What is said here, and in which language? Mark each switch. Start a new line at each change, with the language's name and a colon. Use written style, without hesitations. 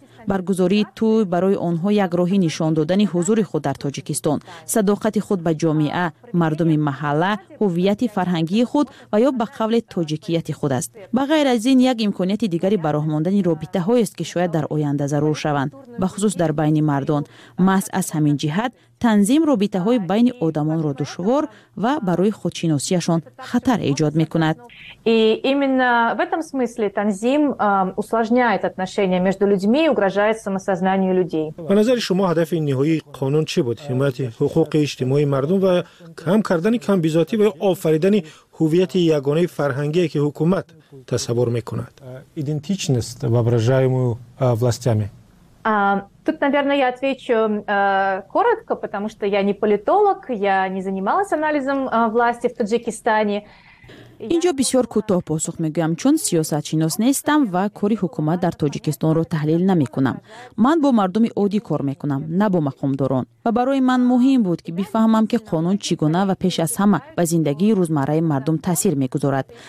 Persian: برگزاری توی برای آنها یک راهی نشان دادن حضور خود در تاجیکستان، صداقت خود به جامعه، مردم محله، هویت فرهنگی خود و یا به قول تاجیکیت خود است. به غیر از این، یک امکانیت دیگری برای ماندن رابطه هایی است که شاید در آینده ضرور شوند، به خصوص در بین مردان. محض از همین جهت تنظیم رابطه های بین آدمان را دشوار و برای خودشناسیشان خطر ایجاد میکند.
Russian: Именно в этом смысле танзим усложняет отношения между людьми и угрожает самосознанию людей.
Persian: به نظر شما هدف نهایی قانون چی بود؟ حمایت حقوق اجتماعی مردم و کم کردن کم بیزاتی و آفریدن هویت یگانه فرهنگی که حکومت تصور میکند. ایدنتیچنست و воображаемую властями.
Russian: Тут, наверное, я отвечу коротко, потому что я не политолог, я не занималась анализом власти в Таджикистане.
Persian: اینجا بسیار کوتاه پاسخ میگویم، چون سیاست شناس نیستم و کاری حکومت در تاجیکستان رو تحلیل نمی کنم. من با مردم عادی کار میکنم، نه با مقامداران. و برای من مهم بود که بفهمم که قانون چگونه و پیش از همه به زندگی روزمره مردم تاثیر میگذارد.